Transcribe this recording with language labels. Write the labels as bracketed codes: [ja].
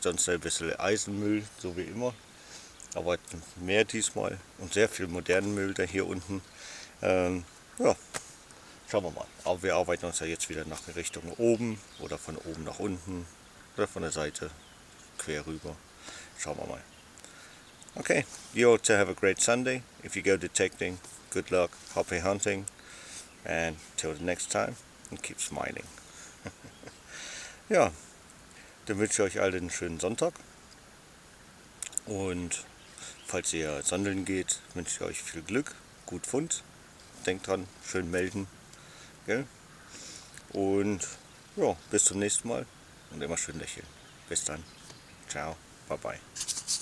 [de] Sonst ein bisschen Eisenmüll, so wie immer. Aber mehr diesmal und sehr viel modernen Müll da hier unten. Ja, schauen wir mal. Aber wir arbeiten uns ja jetzt wieder nach Richtung oben oder von oben nach unten oder von der Seite quer rüber. Schauen wir mal. [en] Okay, you all to have a great Sunday. If you go detecting, good luck, happy hunting. And till the next time, and keep smiling. [de] Ja, dann wünsche ich euch allen einen schönen Sonntag. Und falls ihr sondeln geht, wünsche ich euch viel Glück, gut Fund. Denkt dran, schön melden. Gell? Und ja, bis zum nächsten Mal und immer schön lächeln. Bis dann. Ciao. Bye-bye.